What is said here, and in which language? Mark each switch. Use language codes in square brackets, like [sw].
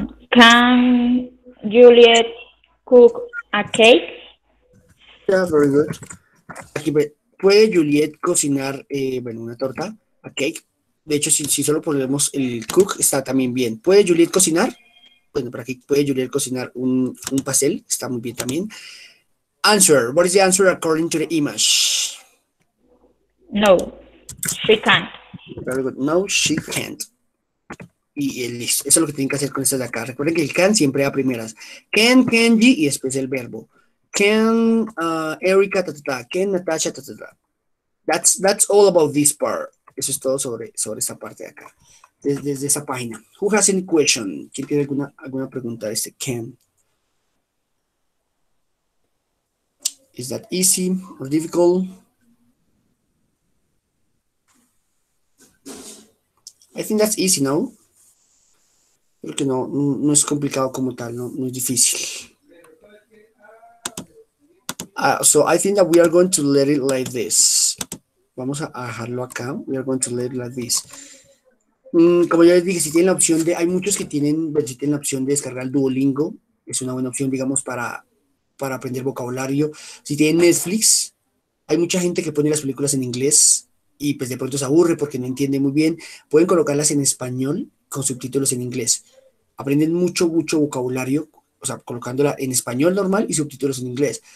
[en] Can Juliet cook a cake? Yeah, very good. [es] Aquí, ¿puede Juliet cocinar bueno, una torta, [en] a cake? [es] De hecho, si solo ponemos el cook, está también bien. ¿Puede Juliet cocinar? Bueno, para aquí, ¿puede Juliet cocinar un pastel? Está muy bien también. [en] Answer. What is the answer according to the image? No, she can't. Very good. No, she can't. [es] Y el listo. Eso es lo que tienen que hacer con estas de acá. Recuerden que el can siempre va a primeras. Can, Kenji, y después el verbo. Can, Erika, ta, ta, ta. [en] Can, Natasha, ta, ta, ta. That's all about this part. [es] Eso es todo sobre esta parte de acá. Desde esa página. [en] Who has any question? [es] ¿Quién tiene alguna pregunta de este can? [en] Is that easy or difficult? I think that's easy, no? [es] Creo que no es complicado como tal, no es difícil. [en] So I think that we are going to let it like this. [es] Vamos a dejarlo acá. [en] We are going to let it like this. [es] Como ya les dije, si tienen la opción de, hay muchos que tienen, si tienen la opción de descargar Duolingo, es una buena opción, digamos, para aprender vocabulario. Si tienen Netflix, hay mucha gente que pone las películas en inglés y pues de pronto se aburre porque no entiende muy bien. Pueden colocarlas en español con subtítulos en inglés. Aprenden mucho, mucho vocabulario, o sea, colocándola en español normal y subtítulos en inglés.